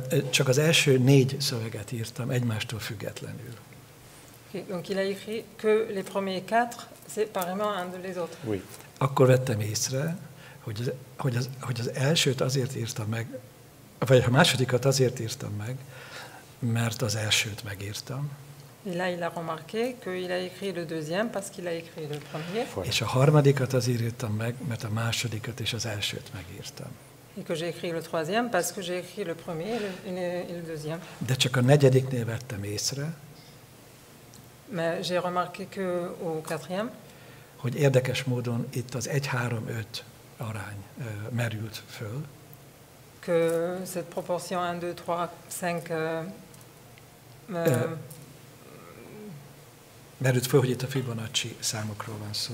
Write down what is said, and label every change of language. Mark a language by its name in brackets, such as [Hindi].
[Hungarian] Csak az első 4 szöveget írtam egymástól függetlenül. [French] Donc il a écrit que les premiers 4 séparément un de les autres. Oui. [Hungarian] Akkor vettem észre, hogy az elsőt azért írtam meg, vagy a másodikat azért írtam meg, mert az elsőt megírtam. [French] Et là, il a remarqué qu'il a écrit le deuxième parce qu'il a écrit le premier. [Hungarian] És a harmadikat azért írtam meg, mert a másodikat és az elsőt megírtam. [French] Et que j'ai écrit le troisième parce que j'ai écrit le premier et le deuxième. [Hungarian] De csak a negyediknél vettem észre. [French] Mais j'ai remarqué que au 4e, [Hungarian] hogy érdekes módon itt az 1-3-5 arány merült föl. [French] Que cette proportion 1 2 3 5 [Hungarian] merült föl, hogy itt a Fibonacci számokról van szó.